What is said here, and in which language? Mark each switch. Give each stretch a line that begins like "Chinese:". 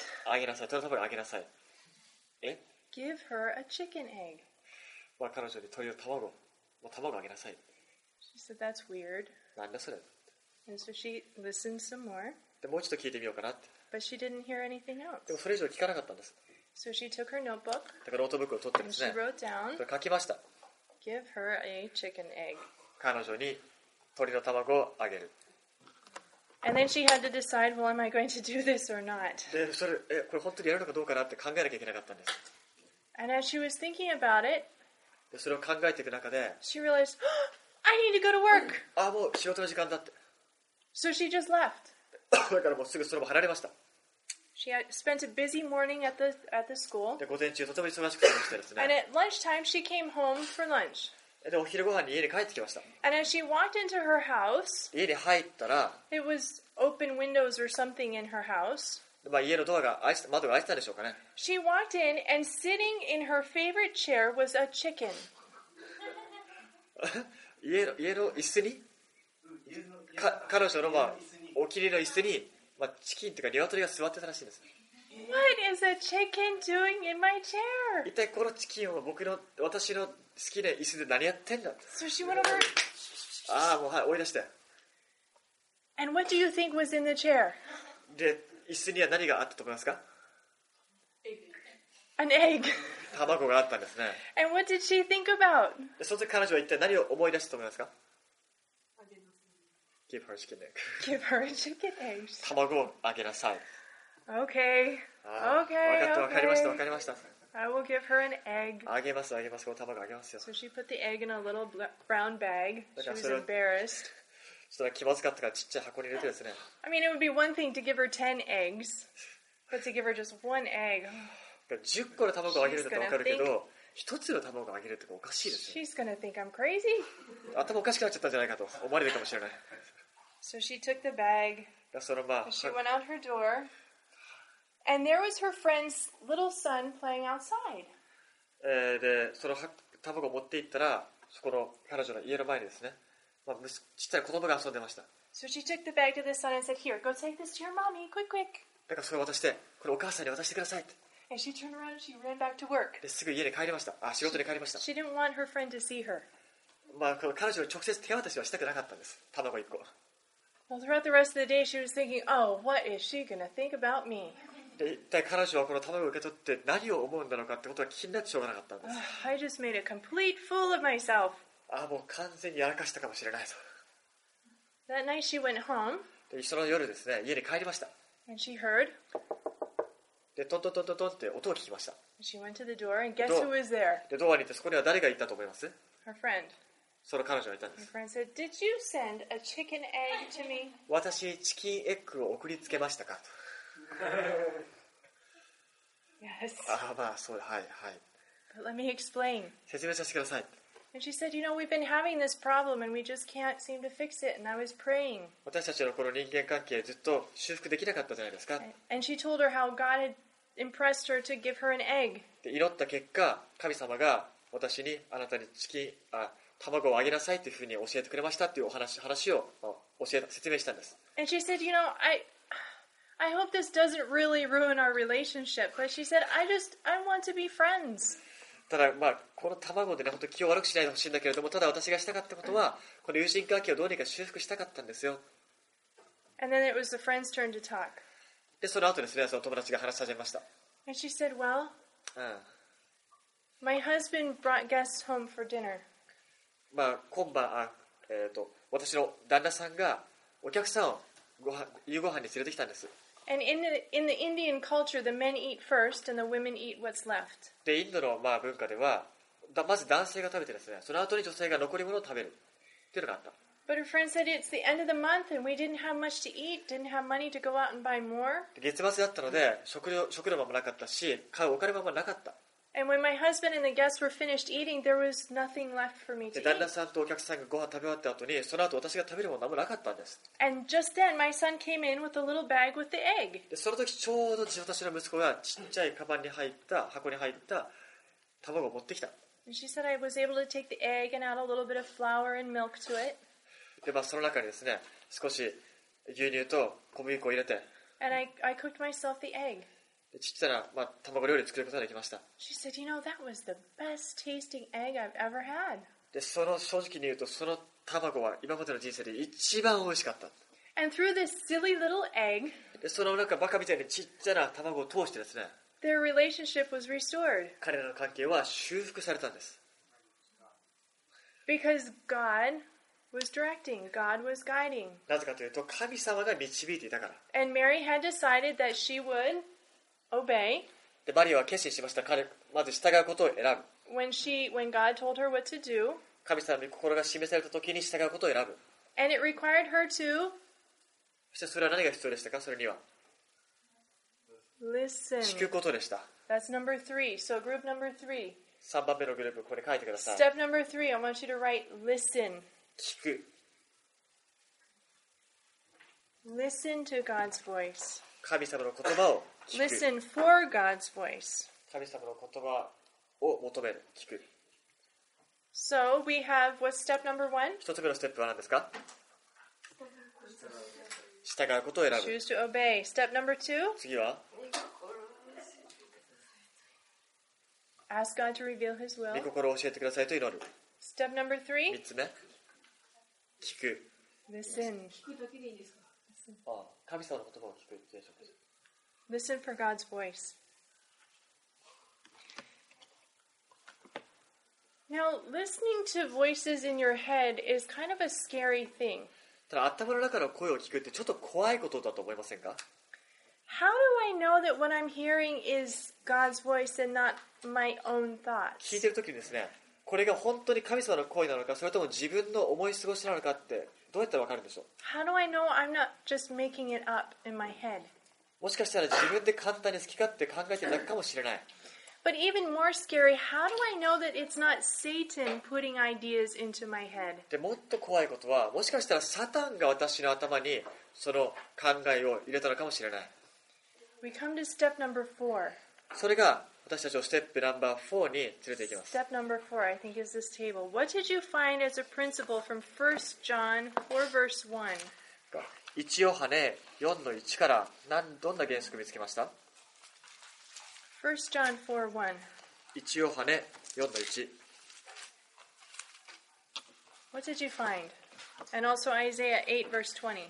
Japanese: あげなさい。鶏の卵あげなさい。え
English: ？Give her a chicken egg.
Japanese: まあ彼女に鶏の卵、もう卵あげなさい。
English: She said that's weird.
Japanese: なんだそれ。
English: And so she listened some more.
Japanese: でもうちょっと聞いてみようかなって。
English: But she didn't hear anything else.
Japanese: でもそれ以上聞かなかったんです。
English: So she took her notebook.
Japanese: だからノートブックを取ってですね。
English: And she wrote down.
Japanese: それ書きました。
English: Give her a chicken egg.
Japanese: 彼女に鶏の卵をあげる。
English: And then she had to decide, well, am I going to do this or not?
Japanese: で、それ、え、これ本当にやるのかどうかなって考えなきゃいけなかったんです。
English: And as she was thinking about it,
Japanese: で、それを考えていく中で、
English: she realized, oh, I need to go to work.
Japanese: あ、もう仕事の時間だって。
English: So she just left.
Japanese: だからもうすぐその場を離れました。
English: She had spent a busy morning at the school.
Japanese: で午前中とても忙しくしてましたですね。
English: And at lunchtime she came home for lunch.
Japanese: でお昼ご飯に家に帰ってきました。
English: And as she walked into her house,
Japanese: 家に入ったら、
English: it was open windows or something in her house.
Japanese: まあ家のドアが開いた、窓が開いてたでしょうかね。
English: She walked in and sitting in her favorite chair was a chicken.
Japanese: 家の椅子に、彼女のまあお気に入りの椅子に。まあ、チキンというかリワトリが座ってたらしいんです。
English: What is a chicken doing in my chair?
Japanese: 一体このチキンを僕の私の好きな椅子で何やってんだ。
English: So she went over.
Japanese: ああもうはい追い出して。
English: And what do you think was in the chair?
Japanese: で椅子には何があったと思いますか。
English: An egg.
Japanese: 卵があったんですね。
English: And what did she think about?
Japanese: でその時彼女は一体何を思い出したと思いますか。
English: Give her a chicken egg. Give her a chicken egg.
Japanese: 卵をあげなさい。
English: Okay. Okay.
Japanese: わかりました。わかりました。
English: I will give her an egg.
Japanese: あげます、あげます。この卵あげますよ。
English: So she put the egg in a little brown bag. She was embarrassed.
Japanese: ちょっと気まずかったからちっちゃい箱に入れてですね。
English: I mean, it would be one thing to give her 10 eggs, but to give her just one egg.
Japanese: 10個の卵をあげるんだったら分かるけど、一つの卵をあげるっておかしいですね。
English: She's gonna think I'm crazy.
Japanese: 頭おかしくなっちゃったんじゃないかと思われるかもしれない。
English: So she took the bag.
Japanese: その、まあ、
English: she went out her door. And there was her friend's little son playing outside.
Japanese: で、その卵を持って行ったら、そこの彼女の家の前にですね、まあ、ちっちゃい子供が遊んでました。
English: So she took the bag to the son and said, "Here, go take this to your mommy, quick, quick."
Japanese: だからそれを渡して、これお母さんに渡してくださいって。
English: And she turned around, she ran back to work.
Japanese: で、すぐ家に帰りました。あ、仕事に帰りました。
English: She didn't want her friend to see her.
Japanese: まあ、この彼女に直接手渡しはしたくなかったんです。卵一個。
English: Well, throughout the rest of the day, she was thinking, "Oh, what is she gonna think about me?"
Japanese: で、一体彼女はこの卵を受け取って何を思うんだろうかってことが気になってしょうがなかったんです。
English: I just made a complete fool of myself.
Japanese: ああ、もう完全にやらかしたかもしれないと。
English: That night she went home.
Japanese: で、その夜ですね、家に帰りました。
English: And she heard.
Japanese: で、トントントントンって音を聞きました。
English: She went to the door and guess who was there?
Japanese: で、ドアに行ってそこには誰がいたと思います?
English: Her friend.
Japanese: その彼女がいたんです。
English: Her friend said, "Did you send a chicken egg to me?"
Japanese: 私にチキンエッグを送りつけましたか?
English: Yes.
Japanese: ああ、まあ、そう、はい、はい。
English: But let me explain.
Japanese: 説明させてください。
English: And she said, "You know, we've been having this problem, and we just can't seem to fix it." And I was praying.
Japanese: 私たちのこの人間関係ずっと修復できなかったじゃないですか。
English: And she told her how God had impressed her to give her an egg.
Japanese: で、祈った結果、神様が私にあなたにチキン、あ、卵をあげなさいというふうに教えてくれましたっていうお話を説明したんです。
English: And she said, "You know, I hope this doesn't really ruin our relationship." But she said, "I want to be friends."
Japanese: ただまあこの卵でね、本当気を悪くしないでほしいんだけれども、ただ私がしたかったことは、この友人関係をどうにか修復したかったんですよ。
English: And then it was the friend's turn to talk.
Japanese: で、その後ですね、その友達が話し始めました。
English: And she said, "Well, my husband brought guests home for dinner."
Japanese: まあ今晩、私の旦那さんがお客さんをご夕ご飯に連れてきたんです。
English: And in the Indian culture, the men eat first, and the women eat what's left.
Japanese: で、インドのまあ文化では、まず男性が食べてですね、その後に女性が残り物を食べるっていうのがあった。
English: But her friend said it's the end of the month, and we didn't have much to eat, didn't have money to go out and buy more.
Japanese: 月末だったので、食料場もなかったし、買うお金場もなかった。
English: And when my husband and the guests were finished eating, there was nothing left for me to eat.
Japanese: 旦那さんとお客さんがご飯食べ終わった後に、その後私が食べるものは何もなかったんです。
English: And just then, my son came in with a little bag with the egg.
Japanese: で、その時ちょうど私の息子がちっちゃいカバンに入った、箱に入った卵を持ってきた。
English: And she said I was able to take the egg and add a little bit of flour and milk to it.
Japanese: で、まあ、その中にですね、少し牛乳と小麦粉を入れて。
English: And I cooked myself the egg.
Japanese: ちっちゃな、まあ、卵料理を作ることができました。
English: She said, "You know, that was the best tasting egg I've ever had."
Japanese: で、その正直に言うと、その卵は今までの人生で一番美味しかった。
English: And through this silly little egg,
Japanese: で、そのなんかバカみたいにちっちゃな卵を通してですね、
English: their relationship was restored.
Japanese: 彼らの関係は修復されたんです。
English: Because God was directing, God was guiding.
Japanese: なぜかというと、神様が導いていたから。
English: And Mary had decided that she would. Obey.
Japanese: で、マリアは決心しました。彼、まず従うことを選ぶ。
English: When God told her what to do,
Japanese: 神様の御心が示された時に従うことを選ぶ。
English: And it required her to,
Japanese: そしてそれは何が必要でしたか、それには。
English: Listen.
Japanese: 聞くことでした。
English: That's number three. So group number three.
Japanese: 3番目のグループ、ここに書いてください。
English: Step number three, I want you to write, listen.
Japanese: 聞く。
English: Listen to God's voice.
Japanese: 神様の言葉を聞く。
English: Listen for God's voice.
Japanese: 神様の言葉を求める。聞く。
English: So we have what's step number one?
Japanese: 一つ目のステップは何ですか？従うことを選ぶ。
English: Choose to obey. Step number two?
Japanese: 次は？
English: Ask God to reveal His will.
Japanese: 御心を教えてくださいと祈る。
English: Step number three?
Japanese: 三つ目？聞く。
English: Listen.
Japanese: 聞くだけでいいですか？ああ神様の言葉を聞くでしょうか。
English: Listen for God's voice. Now, listening to voices in your head is kind of a scary thing.
Japanese: ただ頭の中の声を聞くってちょっと怖いことだと思いませんか。
English: How do I know that what I'm hearing is God's voice and not my own thoughts?
Japanese: 聞いてる時にですね、これが本当に神様の声なのか、それとも自分の思い過ごしなのかってどうやったら分かるんでしょう？
English: How do I know I'm not just making it up in my head?
Japanese: もしかしたら自分で簡単に好き勝手考えてるだけかもしれない。
English: But even more scary, how do I know that it's not Satan putting ideas into my head?
Japanese: で、もっと怖いことは、もしかしたらサタンが私の頭にその考えを入れたのかもしれない。
English: We come to step number four.
Japanese: それが私たちをステップナンバー4に連れて行きます。
English: Step number four, I think, is this table. What did you find as a principle from 1 John 4 verse 1?
Japanese: 1ヨハネ4の1からどんな原則を見つけました？
English: 1 John 4:1.
Japanese: 一ヨハネ4の1.
English: What did you find? And also Isaiah 8 verse 20.